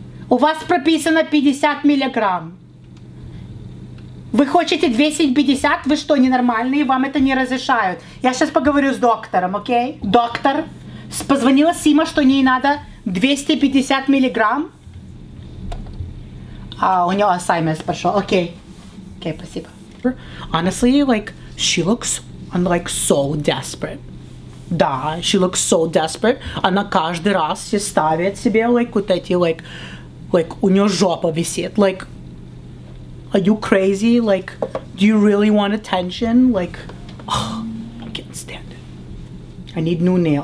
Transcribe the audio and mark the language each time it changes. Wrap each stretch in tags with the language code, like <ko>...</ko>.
<ru>У вас прописано 50 миллиграмм. Вы хотите 250? Вы что, ненормальные? Вам это не разрешают. Я сейчас поговорю с доктором, окей?</ru> <en>Okay?</en> <ru>Доктор, позвонила Сима, что ей надо 250 миллиграмм. А, у нее ассаймент пошел, окей.</ru> <en>Okay. Окей, okay,</en> <ru>спасибо.</ru> <en>Honestly, like, she looks, I'm like, so desperate.</en> <ru>Да,</ru> <en>she looks so desperate.</en> <ru>Она каждый раз все ставит себе, like, вот эти, like, у нее жопа висит.</ru> <en>Like, are you crazy? Like, do you really want attention? Like, oh, I can't stand it. I need new nail.</en>